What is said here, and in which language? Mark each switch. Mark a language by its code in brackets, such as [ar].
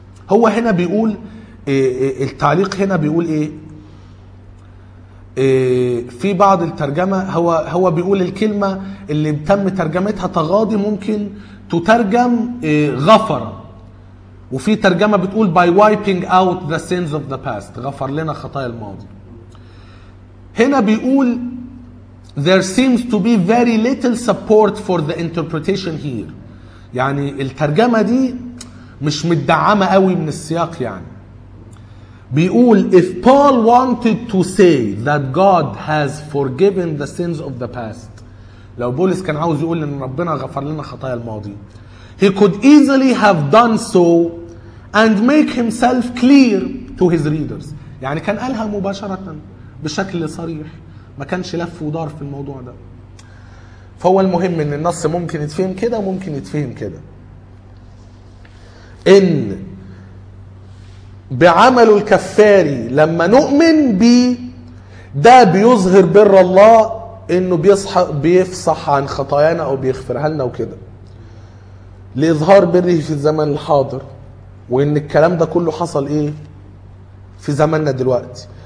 [ar] هو هنا بيقول التعليق هنا بيقول إيه؟ في بعض الترجمة هو بيقول الكلمة اللي تم ترجمتها تغاضي ممكن تترجم غفر وفي ترجمة بتقول [en] by wiping out the sins of the past [ar] غفر لنا خطايا الماضي. هنا بيقول [en] there seems to be very little support for the interpretation here [ar] يعني الترجمة دي مش مدعمة قوي من السياق. يعني بيقول [en] if Paul wanted to say that God has forgiven the sins of the past [ar] لو بولس كان عاوز يقول ان ربنا غفر لنا خطايا الماضي, [en] he could easily have done so and make himself clear to his readers. [ar] يعني كان قالها مباشرة بشكل صريح, ما كانش لف ودار في الموضوع ده. فهو المهم ان النص ممكن يتفهم كده وممكن يتفهم كده, ان بعمل الكفاري لما نؤمن به ده بيظهر بر الله انه بيفصح عن خطايانا او بيغفرها لنا وكده, لإظهار بره في الزمن الحاضر, وان الكلام ده كله حصل ايه في زماننا دلوقتي.